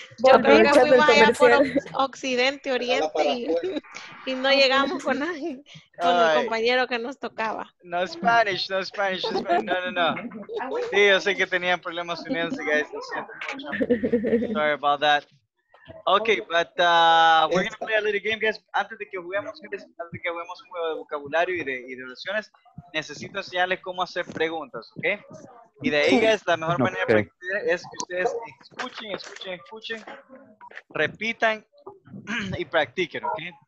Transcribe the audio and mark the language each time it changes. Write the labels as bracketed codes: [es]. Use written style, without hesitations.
[es] Yo creo que fuimos allá por Occidente, Oriente, y no llegamos con nadie, con el compañero que nos tocaba. [en] No Spanish. No. [es] Sí, yo sé que tenían problemas uniéndose, guys. [en] Sorry about that. Okay, but we're going to play a little game, guys. [es] Antes de que juguemos un juego de vocabulario y de oraciones, necesito enseñarles cómo hacer preguntas, ¿ok? Y de ahí, guys, la mejor manera para que ustedes, es que ustedes escuchen, repitan y practiquen, ¿ok?